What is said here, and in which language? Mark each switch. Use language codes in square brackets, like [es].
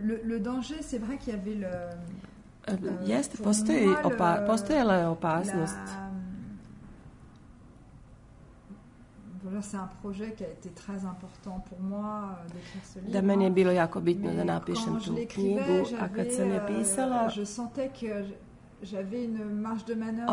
[fr] Le danger, c'est vrai qu'il y avait le... [sr] Jeste, postoji, postojala je opasnost. [fr] C'est un projet qui a été très important pour moi d'écrire ce livre. [sr] Da meni je bilo jako bitno da napišem tu knjigu, a kad sam je pisala, [fr] je sentais que j'avais une marge de manœuvre.